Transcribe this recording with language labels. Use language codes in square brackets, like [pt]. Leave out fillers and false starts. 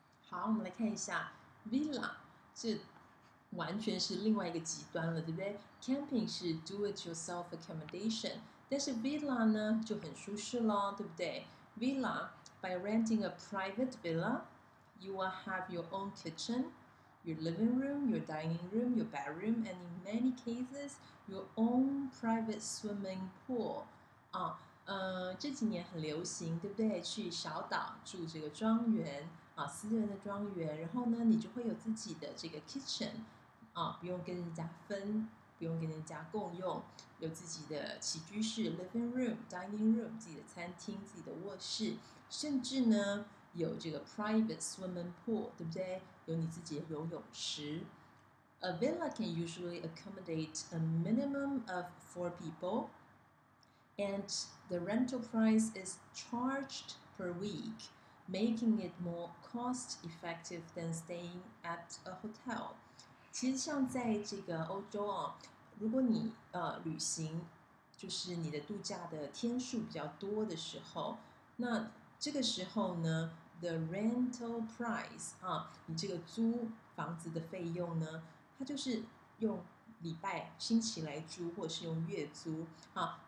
[zh] 好，我们来看一下 [en] villa， [zh] 这完全是另外一个极端了，对不对 [en] ？camping 是 do it yourself accommodation， [zh] 但是 [en] villa [zh] 呢就很舒适了，对不对 [en] ？villa by renting a private villa， you will have your own kitchen。 Your living room, your dining room, your bedroom, and in many cases, your own private swimming pool. [zh] 这几年很流行，对不对？去小岛住这个庄园啊，私人的庄园。然后呢，你就会有自己的这个 kitchen， 不用跟人家分，不用跟人家共用，有自己的起居室 living room, dining room， 自己的餐厅，自己的卧室，甚至呢。有这个 private swimming pool, 对不对？有你自己的游泳池。 [en] A villa can usually accommodate a minimum of 4 people, and the rental price is charged per week, making it more cost effective than staying at a hotel. [zh] 其实像在这个欧洲啊，如果你旅行，就是你的度假的天数比较多的时候，那这个时候呢？ [en] The rental price [zh] 啊，你这个租房子的费用呢，它就是用礼拜星期来租，或者是用月租啊。